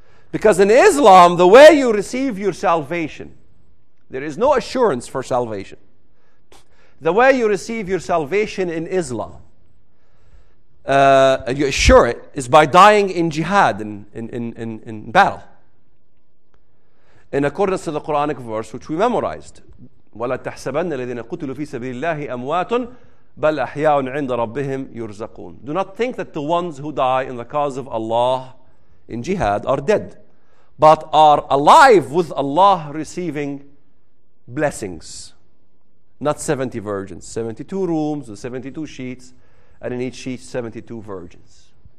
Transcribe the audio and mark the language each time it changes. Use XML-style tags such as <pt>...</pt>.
<en>Because in Islam, the way you receive your salvation, there is no assurance for salvation. The way you receive your salvation in Islam, you assure it, is by dying in jihad, in battle. In accordance to the Quranic verse, which we memorized,</en> <ar>وَلَا تَحْسَبَنَّ الَّذِينَ قُتِلُوا فِي سَبِيلِ اللَّهِ أَمْوَاتٌ بَلْ أَحْيَاءٌ عِنْدَ رَبِّهِمْ يُرْزَقُونَ.</ar> <en>Do not think that the ones who die in the cause of Allah in jihad are dead, but are alive with Allah receiving blessings. Not 70 virgins, 72 rooms and 72 sheets, and in each sheet 72 virgins.</en>